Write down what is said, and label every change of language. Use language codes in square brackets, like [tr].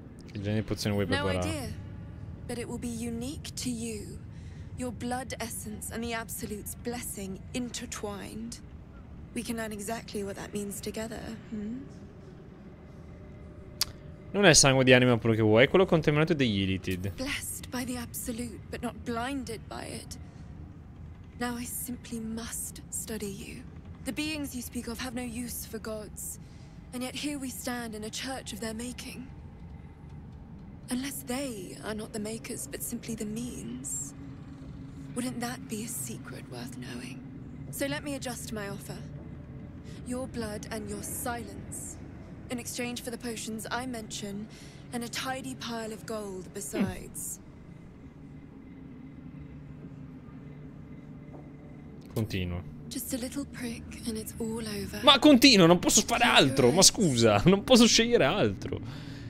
[it] Che genere di pozione vuoi preparare? [en] No idea, but it will be unique to you. Your blood essence and the absolute's blessing intertwined. We can learn exactly what that means together. [it] Non è sangue di anima quello che vuoi, è quello contaminato degli Illithid. [en] Blessed by the absolute, but not blinded by it. Now I simply must study you. The beings you speak of have no use for gods, and yet here we stand in a church of their making. Unless they are not the makers, but simply the means, wouldn't that be a secret worth knowing? So let me adjust my offer. Your blood and your silence, in exchange for the potions I mention, and a tidy pile of gold besides. [it] Continua. [en] Just a little prick and it's all over. [it] Ma continua, non posso fare altro, ma scusa, non posso scegliere altro.